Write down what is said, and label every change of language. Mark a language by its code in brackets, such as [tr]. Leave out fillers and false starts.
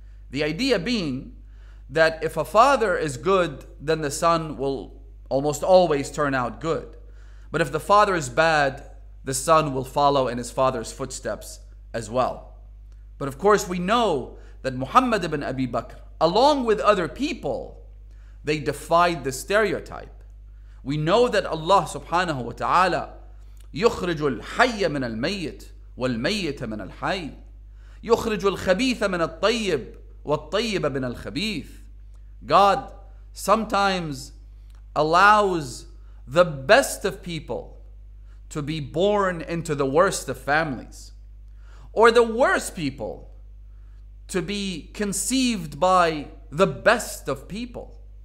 [en] The idea being that if a father is good, then the son will almost always turn out good. But if the father is bad, the son will follow in his father's footsteps as well. But of course, we know that Muhammad ibn Abi Bakr, along with other people, they defied the stereotype. We know that Allah subhanahu wa ta'ala [ar] يخرج الحي من الميت والميت من الحي يخرج الخبيث من الطيب والطيب من الخبيث. [en] God sometimes allows the best of people to be born into the worst of families, or the worst people to be conceived by the best of people.